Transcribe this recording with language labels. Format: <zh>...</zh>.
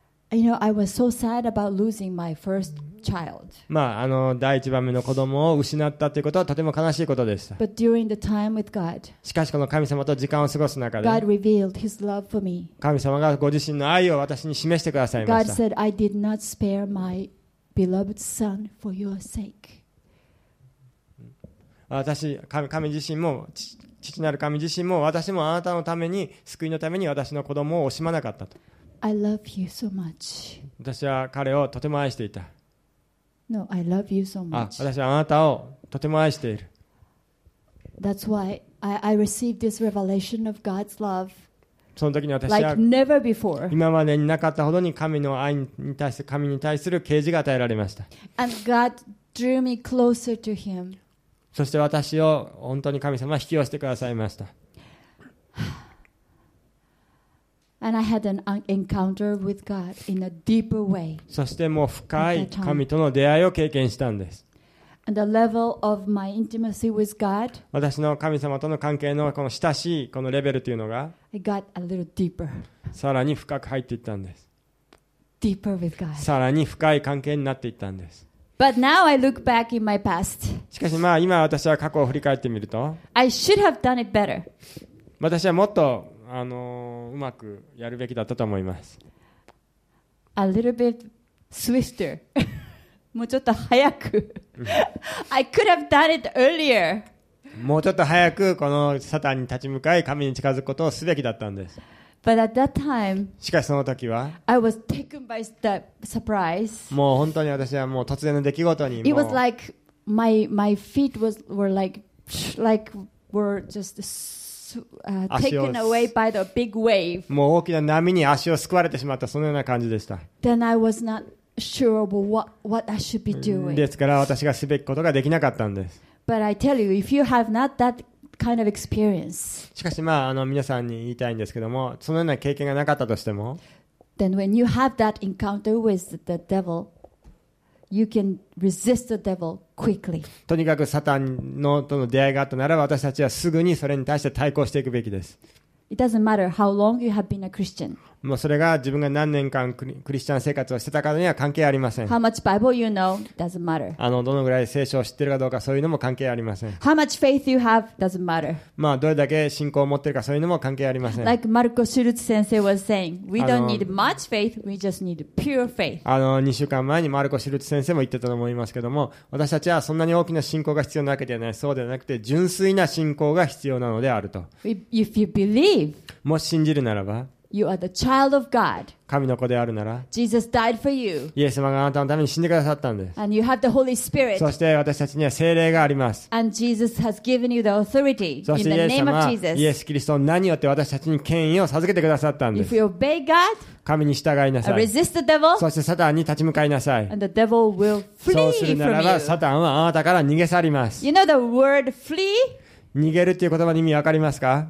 <en>You know, I was so sad about losing my first child.</en> <ja>まあ第一番目の子供を失ったということはとても悲しいことでした。</ja> <en>But during the time with God,</en> <ja>しかしこの神様と時間を過ごす中で、</ja> <en>God revealed His love for me.</en> <ja>神様がご自身の愛を私に示してくださいました。</ja> <en>God said, "I did not spare my beloved son for your sake."</en> <ja>私、神自身も父なる神自身も私もあなたのために救いのために私の子供を惜しまなかったと。</ja> <en>I love you so much.</en> <ja>私は彼をとても愛していた。</ja> <en>No, I love you so much.</en> <ja>私はあなたをとても愛している。</ja> <en>That's why I received this revelation of God's love.</en> <ja>その時に私は</ja> <en>like never before.</en> <ja>今までになかったほどに神の愛に対する神に対する啓示が与えられました。</ja> <en>And God drew me closer to Him.</en> <ja>そして私を本当に神様は引き寄せてくださいました。</ja> <en>And I had an encounter with God in a deeper way.</en> <ja>そしてもう深い神との出会いを経験したんです。</ja> <en>And the level of my intimacy with God.</en> <ja>私の神様との関係のこの親しいこのレベルというのが、</ja> <en>I got a little deeper.</en> <ja>さらに深く入っていったんです。</ja> <en>Deeper with God.</en> <ja>さらに深い関係になっていったんです。</ja> <en>But now I look back in my past.</en> <ja>しかしまあ今私は過去を振り返ってみると、</ja> <en>I should have done it better.</en> <ja>私はもっとうまくやるべきだったと思います。</ja> <en>A little bit swifter.</en> <ja>もうちょっと早く。</ja> <en>I could have done it earlier.</en> <ja>もうちょっと早くこのサタンに立ち向かい神に近づくことをすべきだったんです。</ja> <en>But at that time,</en> <ja>しかしその時は</ja> <en>I was taken by the surprise.</en> <ja>もう本当に私はもう突然の出来事にもう</ja> <en>It was like my feet were like were just taken away by the big wave.</en> <ja>もう大きな波に足を救われてしまったそのような感じでした。</ja> <en>Then I was not sure about what I should be doing.</en> <ja>ですから私がすべきことができなかったんです。</ja> <en>But I tell you, if you have not that kind of experience,</en> <ja>しかしまあ皆さんに言いたいんですけども、そのような経験がなかったとしても、</ja> <en>then when you have that encounter with the devil, you can resist the devil quickly.</en> <ja>とにかくサタンのとの出会いがあったならば、私たちはすぐにそれに対して対抗していくべきです。</ja> <en>It doesn't matter how long you have been a Christian.</en> <ja>もうそれが自分が何年間クリスチャン生活をしてたかには関係ありません。</ja> <en>How much Bible you know doesn't matter.</en> <ja>あのどのぐらい聖書を知ってるかどうかそういうのも関係ありません。</ja> <en>How much faith you have doesn't matter.</en> <ja>まあどれだけ信仰を持ってるかそういうのも関係ありません。</ja> <en>Like Marco Schulz 先生 was saying, we don't need much faith, we just need pure faith.</en> <ja>あの2週間前にマルコ・シュルツ先生も言ってたと思いますけども、私たちはそんなに大きな信仰が必要なわけではない。そうではなくて純粋な信仰が必要なのであると。</ja> <en>If you believe,</en> <ja>もし信じるならば。</ja> <en>You are the child of God.</en> <ja>神の子であるなら、</ja> <en>Jesus died for you.</en> <ja>イエス様があなたのために死んでくださったんです。</ja> <en>And you have the Holy Spirit.</en> <ja>そして私たちには聖霊があります。</ja> <en>And Jesus has given you the authority in the name of Jesus.</en> <ja>そしてイエス・キリストは何によって私たちに権威を授けてくださったんです。</ja> <en>If you obey God,</en> <ja>神に従いなさい。</ja> <en>And resist the devil,</en> <ja>そしてサタンに立ち向かいなさい。</ja> <en>And the devil will flee from you.</en> <ja>そうするならば、サタンはあなたから逃げ去ります。</ja> <en>You know the word flee?</en> <ja>逃げるっていう言葉の意味わかりますか？</ja>